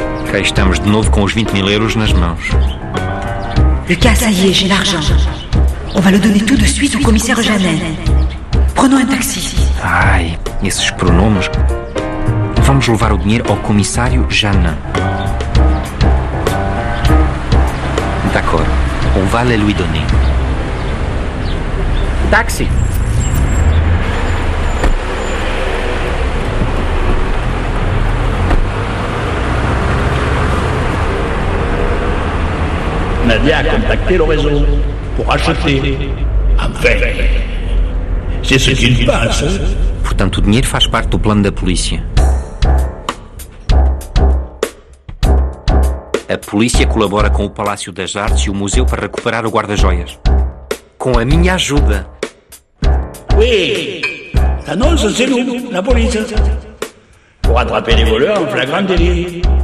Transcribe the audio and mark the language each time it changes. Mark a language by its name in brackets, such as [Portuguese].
[Portuguese] Cá estamos de novo com os 20 mil euros nas mãos. [French] Lucas, ça y est, j'ai l'argent. On va le donner tout de suite au commissaire Jeannin. Prenons un taxi. [Portuguese] Ai, esses pronomes. Vamos levar o dinheiro ao comissário Jeannin. [French] D'accord. On va le lui donner. Taxi. Nadia a contacté le réseau pour acheter. Enfin, c'est ce qu'il passe. [Portuguese] Portanto, o dinheiro faz parte do plano da polícia. A polícia colabora com o Palácio das Artes e o museu para recuperar o guarda-joias. Com a minha ajuda. [French] Oui, [Portuguese] a nossa, [French] c'est nous, la police. Pour attraper les voleurs en flagrant délit.